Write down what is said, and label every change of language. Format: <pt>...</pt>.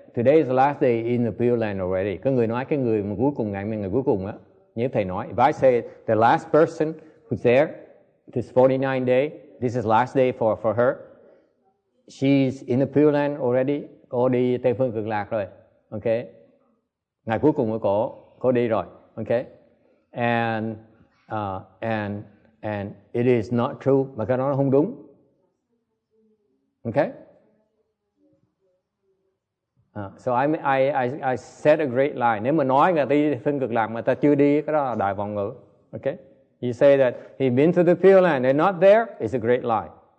<en>Today is the last day in the Pure Land already.</en> <vi>Cái người nói cái người mà cuối cùng, ngày mình người cuối cùng á. Nếu thầy nói,</vi> <en>if I say the last person who's there, this 49 day, this is last day for her, she's in the Pure Land already,</en> <vi>cô đi Tây Phương Cực Lạc rồi.</vi> <en>Okay?</en> <vi>Ngày cuối cùng của cô đi rồi. Okay?</vi> <en>And it is not true,</en> <vi>mà cái đó nó không đúng. Okay?</vi> <en>So I said a great lie.</en> <vi>Nếu mà nói người ta đi phân cực lạc mà ta chưa đi, cái đó là đại vọng ngữ.</vi> <en>Okay? You say that he been to the Pure Land, they're not there, it's a great lie.</en>